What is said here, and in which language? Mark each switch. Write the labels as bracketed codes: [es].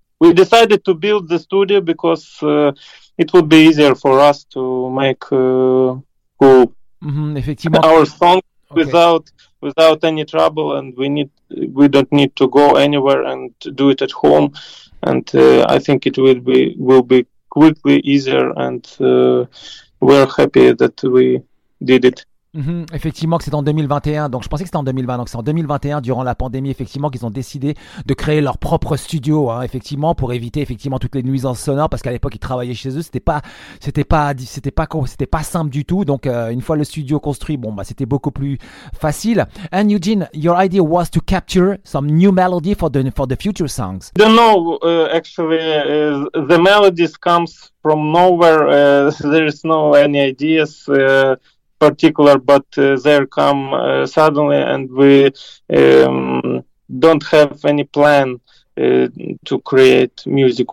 [en] We decided to build the studio because it would be easier for us to make our song without any trouble, and we don't need to go anywhere and do it at home. And I think it will be quickly easier and we're happy that we did it. Mm-hmm. [fr] Effectivement que c'est en 2021, donc je pensais que c'était en 2020, donc c'est en 2021 durant la pandémie effectivement qu'ils ont décidé de créer leur propre studio, hein, effectivement pour éviter effectivement toutes les nuisances sonores, parce qu'à l'époque ils travaillaient chez eux, c'était pas simple du tout. Donc une fois le studio construit, bon bah c'était beaucoup plus facile. [en] And Eugene, your idea was to capture some new melody for the future songs. I don't know, actually the melodies comes from nowhere, there is no any ideas particular, but they come suddenly, and we don't have any plan to create music.